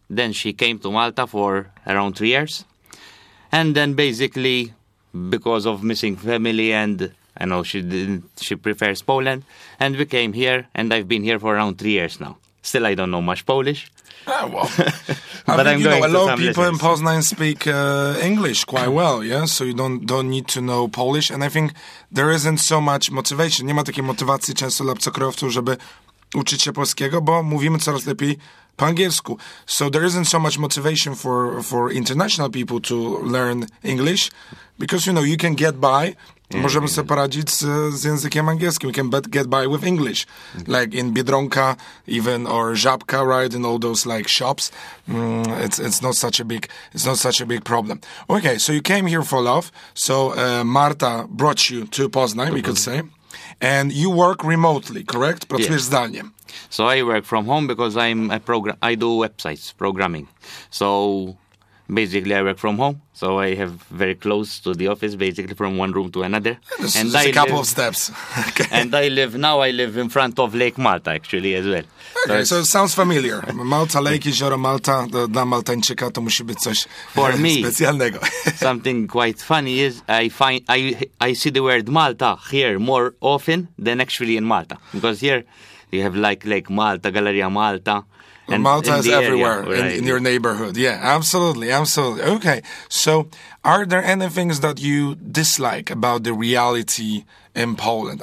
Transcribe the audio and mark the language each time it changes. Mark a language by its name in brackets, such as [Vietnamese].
[English] Then she came to Malta for around 3 years. And then basically, because of missing family and, I know, she prefers Poland. And we came here, and I've been here for around 3 years now. Still, I don't know much Polish. Ah, well. But I mean, a lot of people in Poznań speak English quite well, yeah? So you don't need to know Polish. And I think there isn't so much motivation. [Polish] Nie ma takiej motywacji często dla obcokrajowców, żeby uczyć się polskiego, bo mówimy coraz lepiej po angielsku. [English] So there isn't so much motivation for international people to learn English, because, you know, you can get by. Yeah, [Polish] możemy sobie poradzić z językiem angielskim. [English] We can get by with English. Okay. Like in Biedronka, even, or Żabka, right? In all those, like, shops. It's not such a big problem. Okay, so you came here for love. So Marta brought you to Poznań, mm-hmm. we could say. And you work remotely, correct? [Polish] Pracujesz zdalnie. [English] So I work from home because I do websites, programming. So basically I work from home. So I have very close to the office, basically from one room to another. It's a couple of steps. Okay. And I live in front of Lake Malta, actually, as well. Okay, so it sounds familiar. [Polish] Malta Lake, jezioro Malta, dla Maltańczyka to musi być coś [English] for me, [Polish] specjalnego. [English] Something quite funny is I see the word Malta here more often than actually in Malta. Because here you have like Lake Malta, Galleria Malta. And Malta is everywhere area, right. In your neighborhood. Yeah, absolutely, absolutely. Okay, so are there any things that you dislike about the reality in Poland?